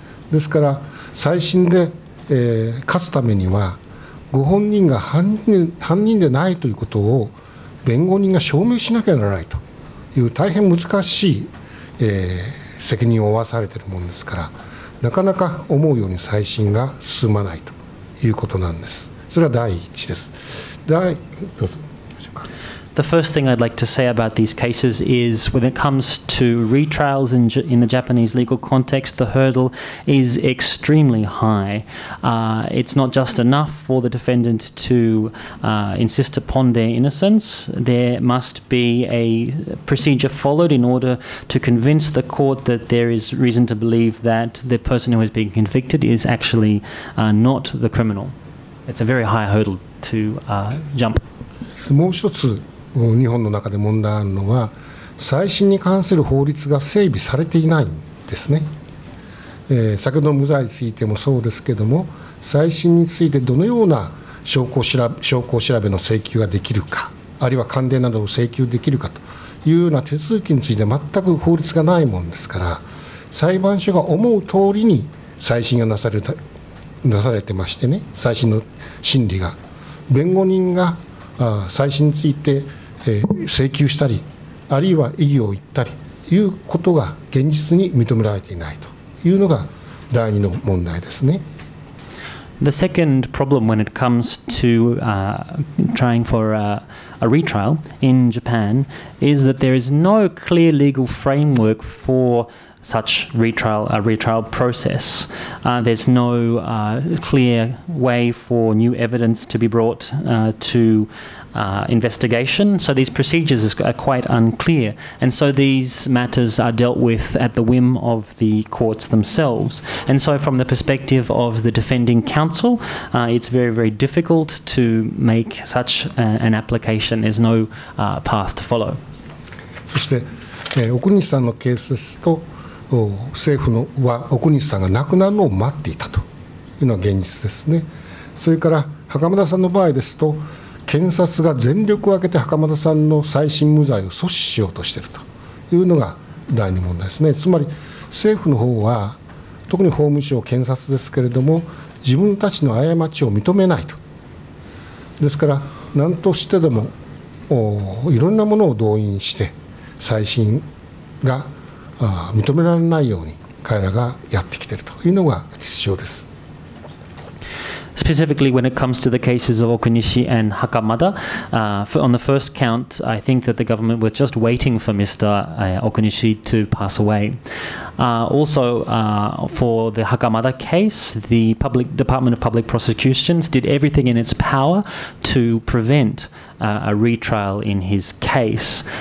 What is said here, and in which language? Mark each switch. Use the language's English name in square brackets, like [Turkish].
[Japanese] ですから再審で、勝つためにはご本人が犯人でないということを弁護人が証明しなきゃならないという大変難しい、責任を負わされているものですから、なかなか思うように再審が進まないということなんです。それは第一です。どうぞ。 [English] The first thing I'd like to say about these cases is when it comes to retrials in the Japanese legal context, the hurdle is extremely high. It's not just enough for the defendant to insist upon their innocence. There must be a procedure followed in order to convince the court that there is reason to believe that the person who has been convicted is actually not the criminal. It's a very high hurdle to jump. [Japanese] もう一つ日本の中で問題あるのは再審に関する法律が整備されていないんですね。先ほど無罪についてもそうですけれども、再審についてどのような証拠調べの請求ができるか、あるいは関連などを請求できるかというような手続きについて全く法律がないものですから、裁判所が思う通りに再審がなされてましてね、再審の審理が弁護人が再審について、請求したり、あるいは異議を言ったりいうことが現実に認められていないというのが第二の問題ですね。 [English] The second problem when it comes to trying for a retrial in Japan is that there is no clear legal framework for such retrial process. There's no clear way for new evidence to be brought to investigation. So these procedures are quite unclear. And so these matters are dealt with at the whim of the courts themselves. And so from the perspective of the defending counsel, it's very, very difficult to make such an application. There's no path to follow. [Japanese] そして、奥西さんのケースですと、政府は奥西さんが亡くなるのを待っていたというのが現実ですね。それから袴田さんの場合ですと検察が全力を挙げて袴田さんの再審無罪を阻止しようとしているというのが第二問題ですね。つまり政府の方は特に法務省検察ですけれども自分たちの過ちを認めないと、ですから何としてでもいろんなものを動員して再審が認められないように彼らがやってきているというのが実証です。 [English] Specifically, when it comes to the cases of Okunishi and Hakamada, on the first count, I think that the government was just waiting for Mr. Okunishi to pass away. Also, for the Hakamada case, the Department of Public Prosecutions did everything in its power to prevent a retrial in his case.